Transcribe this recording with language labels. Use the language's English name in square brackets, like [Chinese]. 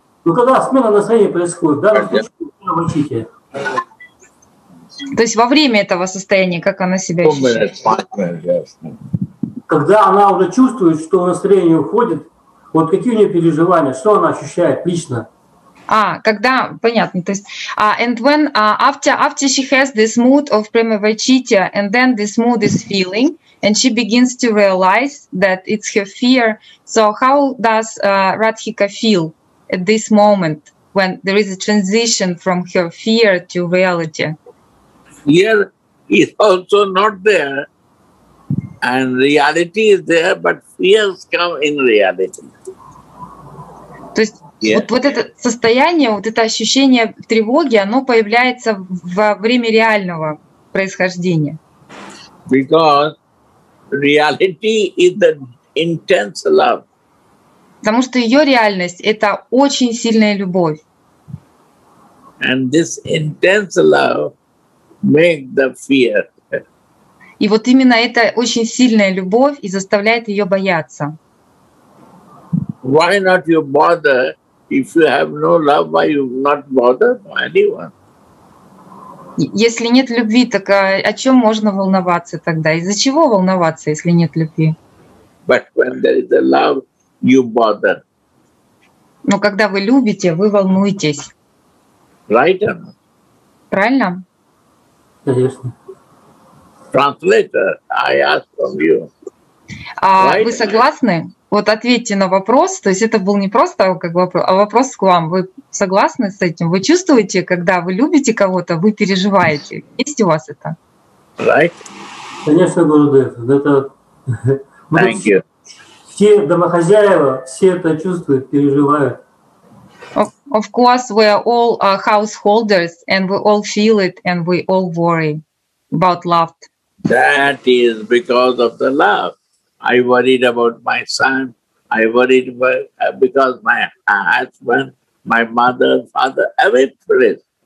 [Russian] Ну, когда смена настроения происходит, да, в очите. То есть во время этого состояния, как она себя ощущает? Когда она уже чувствует, что настроение уходит, вот какие у нее переживания, что она ощущает лично? А, когда, понятно, то есть, [English] and when, after she has this mood of prema vaichitya, and then this mood is feeling, and she begins to realize that it's her fear, so how does Radhika feel at this moment, when there is a transition from her fear to reality? Fear is also not there, and reality is there, but fears come in reality. [Russian] То есть, yeah. Вот это состояние, вот это ощущение тревоги, оно появляется во время реального происхождения. [English] Because reality is the intense love. [Russian] Потому что ее реальность — это очень сильная любовь. [English] And this intense love makes the fear. [Russian] И вот именно эта очень сильная любовь и заставляет ее бояться. [English] Why not you bother? If you have no love, why you not bother anyone? [Russian] Если нет любви, так о чем можно волноваться тогда? Из-за чего волноваться, если нет любви? [English] But when there is a love, you bother. [Russian] Но когда вы любите, вы волнуетесь. [English] Right? [Russian] Правильно? Конечно. [English] Translator, I ask from you. [Russian] А вы согласны? Вот ответьте на вопрос, то есть это был не просто как вопрос, а вопрос к вам. Вы согласны с этим? Вы чувствуете, когда вы любите кого-то, вы переживаете? Есть у вас это? [English] Right. [Russian] Конечно, Гурудев. Это... [English] Thank you. [Russian] Все домохозяева, все это чувствуют, переживают. [English] Of course, we are all householders, and we all feel it, and we all worry about love. That is because of the love. I worried about my son. I worried because my husband, my mother, father, everything.